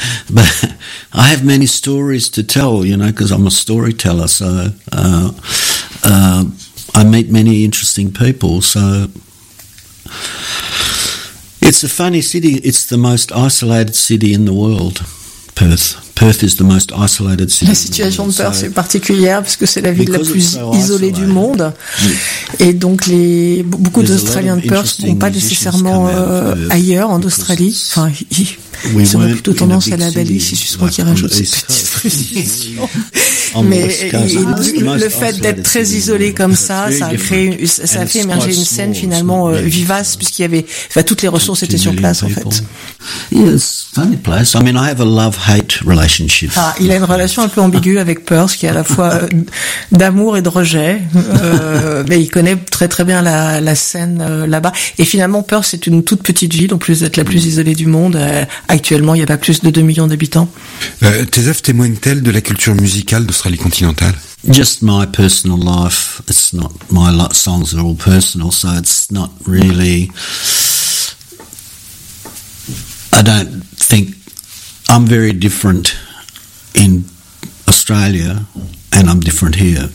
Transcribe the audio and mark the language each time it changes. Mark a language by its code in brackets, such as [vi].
[en] But I have many stories to tell, you know, because I'm a storyteller. So I meet many interesting people. So it's a funny city. It's the most isolated city in the world. Perth is the most isolated city. [fr] La situation de Perth est particulière parce que c'est la ville la plus isolée du monde. Et donc, beaucoup d'Australiens de Perth ne vont pas nécessairement ailleurs, en Australie. Enfin, ils ont plutôt tendance à aller à Bali, si c'est moi qui rajoute cette petite précision. Mais le fait d'être très isolé comme ça, ça a fait émerger une scène finalement vivace, puisqu'il y avait. Enfin, toutes les ressources étaient sur place, en fait. [en] Funny place. I mean, I have a love-hate relationship. [fr] Ah, il a une relation un peu ambiguë avec Perth, qui est à la fois d'amour et de rejet. mais il connaît très très bien la scène là-bas. Et finalement, Perth est une toute petite ville, en plus d'être la plus isolée du monde. Actuellement, il n'y a pas plus de 2 millions d'habitants. Tes œuvres témoignent-elles de la culture musicale d'Australie continentale? [en] Just my personal life. It's not my songs are all personal, so it's not really. I don't think I'm very different in Australia, and I'm different here.